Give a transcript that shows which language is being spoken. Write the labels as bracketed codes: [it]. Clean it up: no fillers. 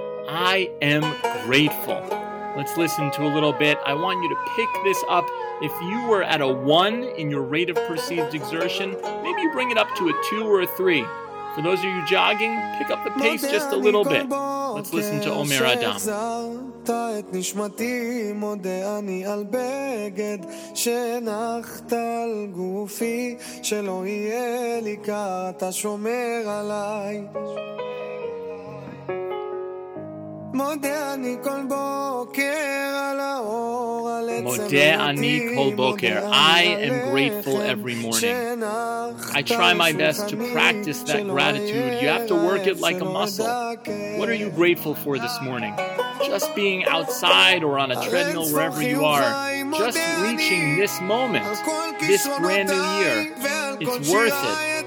[en] I am grateful. Let's listen to a little bit. I want you to pick this up. If you were at a 1 in your rate of perceived exertion, maybe you bring it up to a 2 or a 3. For those of you jogging, pick up the pace just a little bit. Let's listen to Omer Adam. [he] את נשמתי מודה אני על בגד שנחת על גופי שלא יהיה לי כה אתה שומר עליי מודה אני כל בוקר על האור על עצם אותי [en] I am grateful every morning. I try my best to practice that gratitude. You have to work it like a muscle. What are you grateful for this morning? Just being outside or on a treadmill, wherever you are, just reaching this moment, this brand new year, it's worth it.